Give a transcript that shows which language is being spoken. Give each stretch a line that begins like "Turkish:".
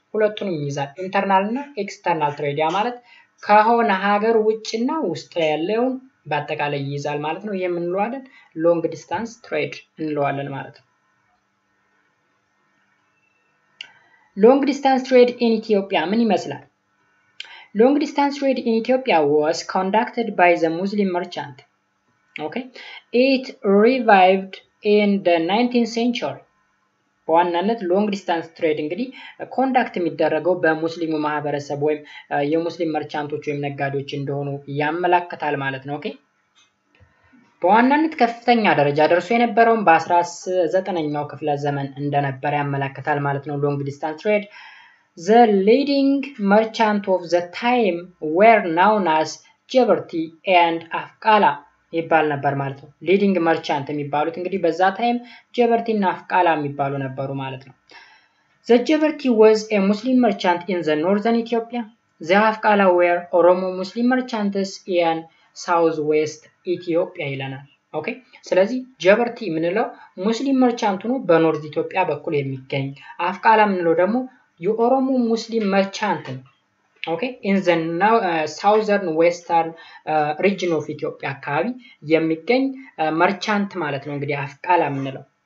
Amharic: ሁለቱንም ይይዛል። internal እና external trade ያ ማለት ከሆነ ሀገር ውጭና ውስጥ ያለውን በአጠቃላይ ይይዛል ማለት ነው። ይሄን እንለዋለን long distance trade እንለዋለን ማለት ነው።
English: Long distance trade in Ethiopia
Amharic: ምን ይመስላል?
English: Long distance trade in Ethiopia was conducted by the Muslim merchant. Okay? It revived in the 19th century.
Amharic: በዋናነት long distance trade እንግዲህ conduct የሚደረገው በሙስሊሙ ማህበረሰብ ወይም የሙስሊም merchants ወይም ነጋዴዎች እንደሆኑ ያመለክታል ማለት ነው። Okay? በዋናነት ከፍተኛ ደረጃ ደርሶ የነበረው በ19ኛው ክፍለ ዘመን እንደነበረ ያመለክታል ማለት ነው።
English: long distance trade the leading merchant of the time were known as Jabarti and Afqala
Amharic: ይባል ነበር ማለት ነው።
English: leading merchant
Amharic: የሚባሉት እንግዲህ በዛ ታይም Jabarti እና Afqala የሚባሉ ነበሩ ማለት ነው።
English: the Jabarti was a muslim merchant in the northern Ethiopia. the Afqala were oromo muslim merchants in southwest
Amharic: ኢትዮጵያ ይላናል። ኦኬ ስለዚህ ጀበርቲ ምንለው ሙስሊም መርቻንት ነው በኖርዝ ኢትዮጵያ በኩል የሚገኝ። አፍቃላ ምንለው ደግሞ የኦሮሞ ሙስሊም መርቻንት ነው። ኦኬ
English: ኢን ዘ ናው ሳውዘርን ዌስተርን ሪጅን ኦፍ ኢትዮጵያ
Amharic: አካባቢ የሚገኝ መርቻንት ማለት ነው። እንግዲህ አፍቃላ ምንለው